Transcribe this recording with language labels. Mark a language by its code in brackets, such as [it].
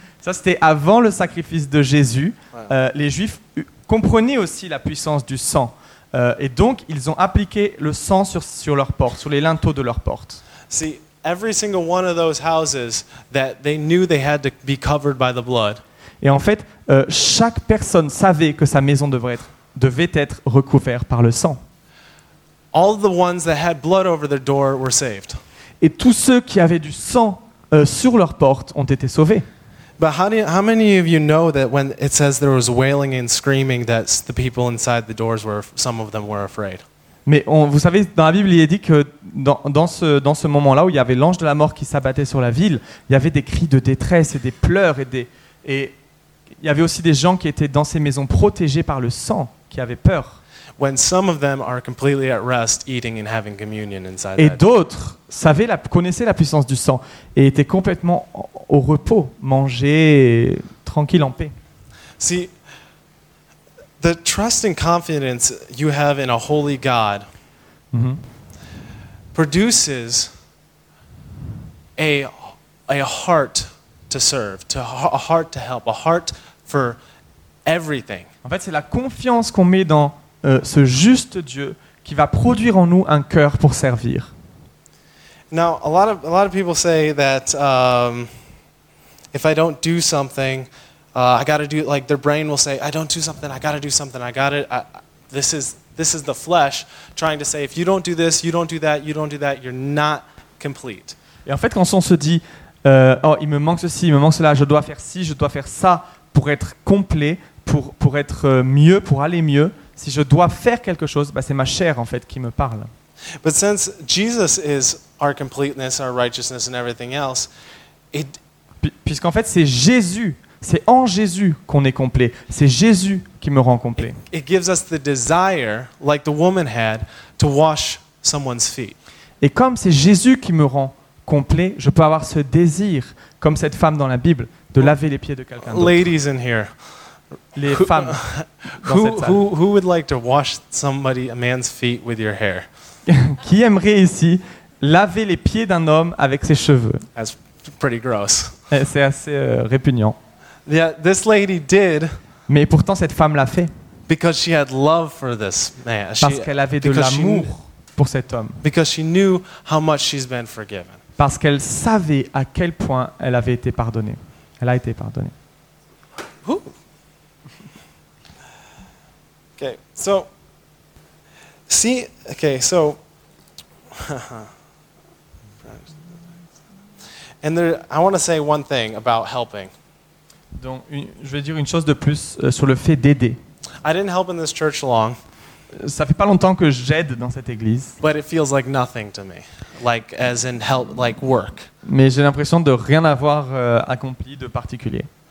[fr] Ça c'était avant le sacrifice de Jésus. Wow. Les Juifs. Comprenez aussi la puissance du sang. Et donc, ils ont appliqué le sang sur leurs portes, sur les linteaux de leurs portes. [en] See, every single one of those houses that they knew they had to be covered by the blood. [fr] Et en fait, chaque personne savait que sa maison devait être recouverte par le sang. [en] All the ones that had blood over their door were saved. [fr] Et tous ceux qui avaient du sang sur leurs portes ont été sauvés. [en] But how many of you know that when it says there was wailing and screaming that the people inside the doors were some of them were afraid. [fr] Mais vous savez dans la Bible il est dit que dans ce moment-là où il y avait l'ange de la mort qui s'abattait sur la ville, il y avait des cris de détresse et des pleurs et il y avait aussi des gens qui étaient dans ces maisons protégés par le sang qui avaient peur. [en] When some of them are completely at rest eating and having communion inside. [fr] Et d'autres connaissaient la puissance du sang et étaient complètement au repos, manger tranquille en paix. [en] See, the trust and confidence you have in a holy God produces a heart to serve, a heart to help, a heart for everything. [fr] En fait, c'est la confiance qu'on met dans ce juste Dieu qui va produire en nous un cœur pour servir. [en] Now, a lot of people say that if I don't do something, I got to do, like their brain will say, I don't do something, I got to do something, I got it. This is the flesh trying to say, if you don't do this, you don't do that, you don't do that, you're not complete. [fr] Et en fait, quand on se dit, oh, il me manque ceci, il me manque cela, je dois faire ci, je dois faire ça pour être complet, pour être mieux, pour aller mieux. Si je dois faire quelque chose, bah, c'est ma chair en fait qui me parle. [en] But since Jesus is our completeness, our righteousness and everything else, it... [fr] Puisqu'en fait c'est Jésus, c'est en Jésus qu'on est complet, c'est Jésus qui me rend complet. [en] It gives us the desire, like the woman had, to wash someone's feet. [fr] Et comme c'est Jésus qui me rend complet, je peux avoir ce désir, comme cette femme dans la Bible, de laver les pieds de quelqu'un d'autre. [en] Ladies in here, [fr] les femmes dans [en] who would like to wash somebody, a man's feet, with your hair? [fr] Qui aimerait ici laver les pieds d'un homme avec ses cheveux? [en] That's pretty gross. [fr] C'est assez répugnant. [en] Yeah, this lady did. [fr] Mais pourtant cette femme l'a fait. [en] Because she had love for this man. [fr] Parce qu'elle avait de l'amour pour cet homme. [en] Because she knew how much she's been forgiven. [fr] Parce qu'elle savait à quel point elle avait été pardonnée. Elle a été pardonnée. Ooh. [en] Okay, so see, okay, so and there, I want to say one thing about helping. [fr] Donc, je vais dire une chose de plus sur le fait d'aider. [en] I didn't help in this church long. [fr] Ça fait pas longtemps que j'aide dans cette église. [en] But it feels like nothing to me, like as in help, like work. [fr] Mais j'ai l'impression de rien avoir accompli de particulier.